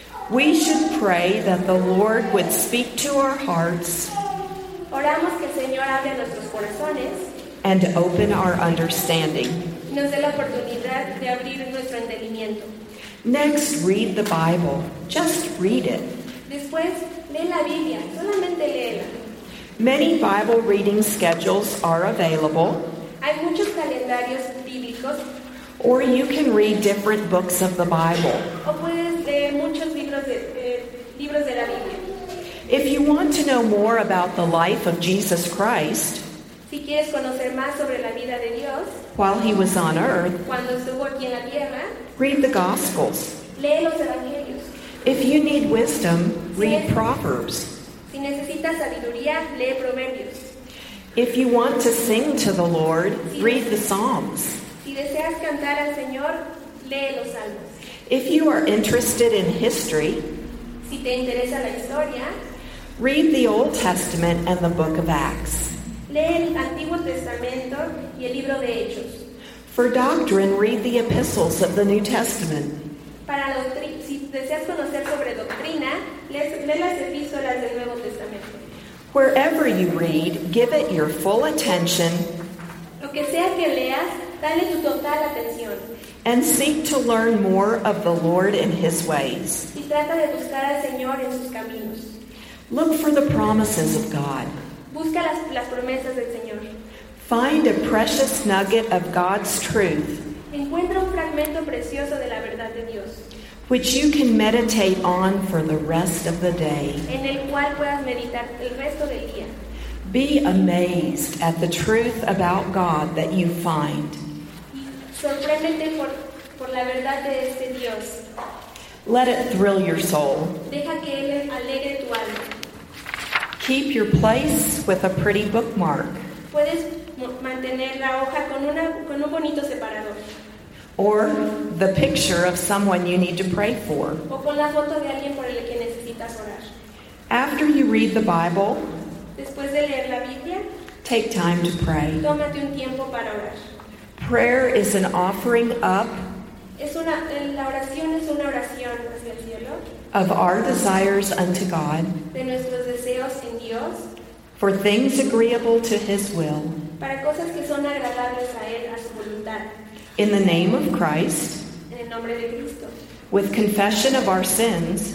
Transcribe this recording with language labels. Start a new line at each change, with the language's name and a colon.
English: We should pray that the Lord would speak to our hearts.
Spanish: Oramos que el Señor hable a nuestros corazones.
English: And open our understanding.
Spanish: Nos dé la oportunidad de abrir nuestro entendimiento.
English: Next, read the Bible. Just read it.
Spanish: Después, lee la Biblia. Solamente léela.
English: Many Bible reading schedules are available.
Spanish: Hay muchos calendarios bíblicos.
English: Or you can read different books of the Bible.
Spanish: O puedes leer muchos libros de la Biblia.
English: If you want to know more about the life of Jesus Christ,
Spanish: si quieres conocer más sobre la vida de Dios,
English: while he was on earth,
Spanish: cuando estuvo aquí en la tierra,
English: read the Gospels.
Spanish: Lee los Evangelios.
English: If you need wisdom, read Proverbs.
Spanish: Si necesitas sabiduría, lee Proverbios.
English: If you want to sing to the Lord, read the Psalms.
Spanish: Si deseas cantar al Señor, lee los Salmos.
English: If you are interested in history,
Spanish: si te interesa la historia,
English: read the Old Testament and the Book of Acts.
Spanish: Lee el Antiguo Testamento y el Libro de Hechos.
English: For doctrine, read the epistles of the New Testament.
Spanish: Para doctrina, si deseas conocer sobre doctrina, lee las epístolas del Nuevo Testamento.
English: Wherever you read, give it your full attention.
Spanish: Lo que sea que leas, dale tu total atención.
English: And seek to learn more of the Lord and His ways.
Spanish: Y trata de buscar al Señor en sus caminos.
English: Look for the promises of God.
Spanish: Busca las promesas del Señor.
English: Find a precious nugget of God's truth.
Spanish: Encuentra un fragmento precioso de la verdad de Dios.
English: Which you can meditate on for the rest of the day.
Spanish: En el cual puedas meditar el resto del día.
English: Be amazed at the truth about God that you find.
Spanish: Sorpréndete por la verdad de este Dios.
English: Let it thrill your soul.
Spanish: Deja que él alegre tu alma.
English: Keep your place with a pretty bookmark.
Spanish: Puedes mantener la hoja con un bonito separador.
English: Or the picture of someone you need to pray for.
Spanish: O con la foto de alguien por el que necesitas orar.
English: After you read the Bible,
Spanish: después de leer la Biblia,
English: take time to pray.
Spanish: Tómate un tiempo para orar.
English: Prayer is an offering up.
Spanish: La oración es una oración hacia el cielo.
English: Of our desires unto God.
Spanish: De nuestros deseos en Dios.
English: For things agreeable to His will.
Spanish: Para cosas que son agradables a Él, a su voluntad.
English: In the name of Christ.
Spanish: En el nombre de Cristo.
English: With confession of our sins.